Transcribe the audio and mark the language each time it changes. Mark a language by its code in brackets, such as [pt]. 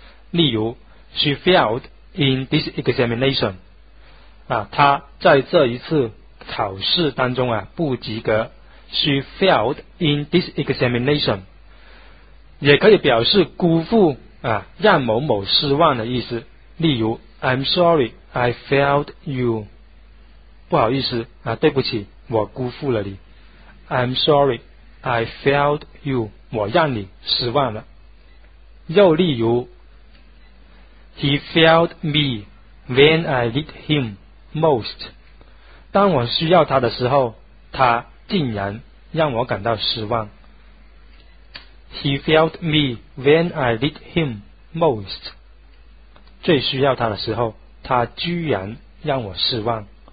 [zh] 例如 [en] she failed in this examination， [zh] 他在这一次考试当中不及格。 [en] She failed in this examination [zh] 也可以表示辜负让某某失望的意思。例如 [en] I'm sorry I failed you， [zh] 不好意思对不起，我辜负了你。 [en] I'm sorry I failed you， [zh] 我让你失望了。又例如 [en] He failed me when I need him most， [zh] 当我需要他的时候，他竟然让我感到失望。 [en] He failed me when I need him most， [zh] 最需要他的时候，他居然让我失望。